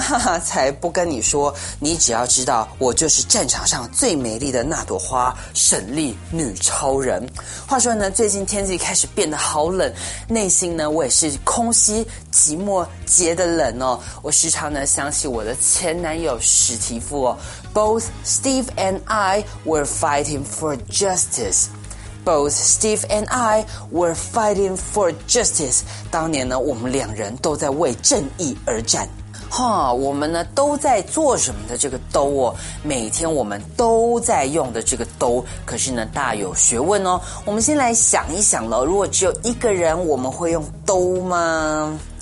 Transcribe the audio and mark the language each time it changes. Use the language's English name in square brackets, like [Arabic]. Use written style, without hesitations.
[Chinese] 哈哈，才不跟你说，你只要知道我就是战场上最美丽的那朵花，沈丽女超人。话说呢，最近天气开始变得好冷，内心呢我也是空虚寂寞结的冷哦。我时常呢想起我的前男友史提夫哦。 [English] Both Steve and I were fighting for justice. Both Steve and I were fighting for justice. [Chinese] 当年呢，我们两人都在为正义而战。哈，我们呢都在做什么的这个都哦，每天我们都在用的这个都，可是呢大有学问哦。我们先来想一想了，如果只有一个人，我们会用都吗？